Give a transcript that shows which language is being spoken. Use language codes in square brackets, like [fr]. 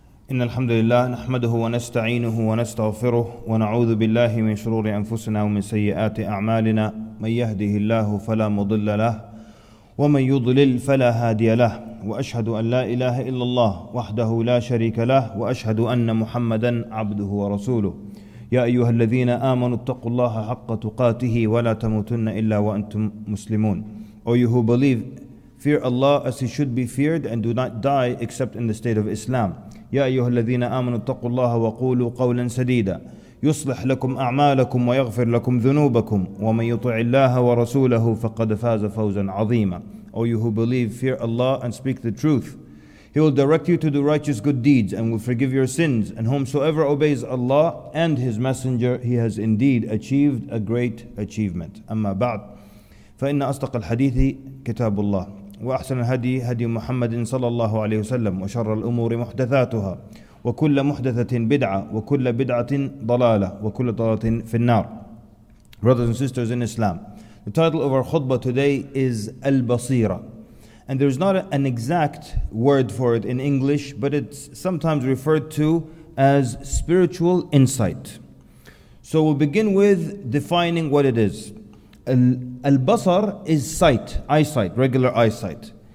[ar] إن الحمد لله نحمده ونستعينه ونستغفره ونعوذ بالله من شرور أنفسنا ومن سيئات أعمالنا من يهده الله فلا مضل له ومن يضلل فلا هادي له وأشهد أن لا إله إلا الله وحده لا شريك له وأشهد أن محمدا عبده ورسوله يا أيها الذين آمنوا اتقوا الله حق تقاته ولا تموتن إلا وأنتم مسلمون [en] Or you who believe, fear Allah as He should be feared and do not die except in the state of Islam. [ar] يا أيها الذين آمنوا اتقوا الله وقولوا قولا سديدا يصلح لكم أعمالكم ويغفر لكم ذنوبكم ومن يطع الله ورسوله فقد فاز فوزا عظيما [en] O you who believe, fear Allah and speak the truth. He will direct you to do righteous good deeds and will forgive your sins. And whomsoever obeys Allah and His Messenger, he has indeed achieved a great achievement. [ar] أما بعد فإن أصدق الحديث كتاب الله وأحسن الهدي هدي محمد صلى الله عليه وسلم وشر الأمور محدثاتها وكل محدثة بدعة وكل بدعة ضلالة وكل ضلالة في النار [en] Brothers and sisters in Islam, the title of our khutbah today is Al-Basira. And there is not an exact word for it in English, but it's sometimes referred to as spiritual insight. So we'll begin with defining what it is. Al-basar is sight, eyesight, regular eyesight.